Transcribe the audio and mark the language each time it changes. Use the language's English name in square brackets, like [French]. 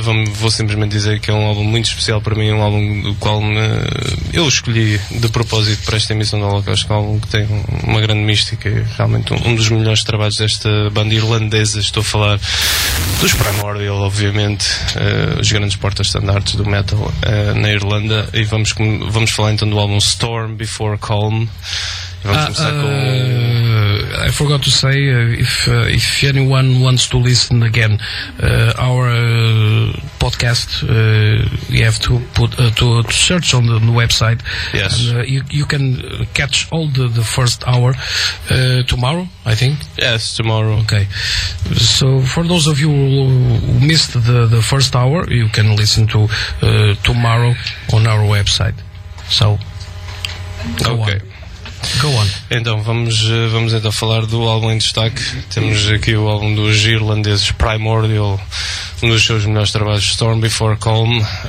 [Portuguese] Vou simplesmente dizer que é um álbum muito especial para mim, um álbum do qual eu escolhi de propósito para esta emissão do Holocausto, que é um álbum que tem uma grande mística e realmente um dos melhores trabalhos desta banda irlandesa. Estou a falar dos Primordial, obviamente, os grandes porta-estandartes do metal na Irlanda. E vamos falar então do álbum Storm Before Calm. [English] I forgot to say if anyone wants to listen again our podcast, you have to put to search on the website. Yes, and, you can catch all the first hour tomorrow, I think. Yes, tomorrow. Okay, so for those of you who missed the first hour, you can listen to tomorrow on our website. So go okay. On. Go on. [Portuguese] Então vamos então falar do álbum em destaque. Temos aqui o álbum dos irlandeses Primordial, um dos seus melhores trabalhos, Storm Before Calm.